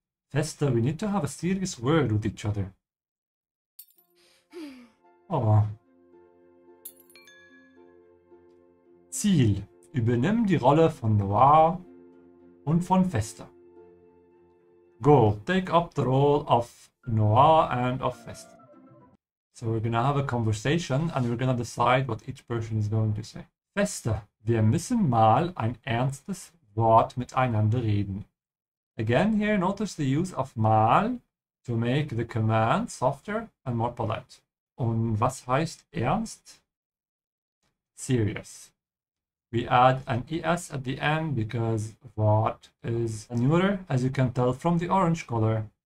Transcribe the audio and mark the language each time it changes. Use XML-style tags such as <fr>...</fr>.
<en>Fester, we need to have a serious word with each other. Oh.</en> <de>Ziel. Übernimm die Rolle von Noir und von Fester.</de> <en>Go. Take up the role of Noir and of Fester. So we're gonna have a conversation and we're gonna decide what each person is going to say.</en> <de>Fester, wir müssen mal ein ernstes Wort miteinander reden.</de> <en>Again here, notice the use of mal to make the command softer and more polite.</en> <de>Und was heißt ernst? Serious.</de> <en>We add an es at the end because Wort is neuter, as you can tell from the orange color.</en>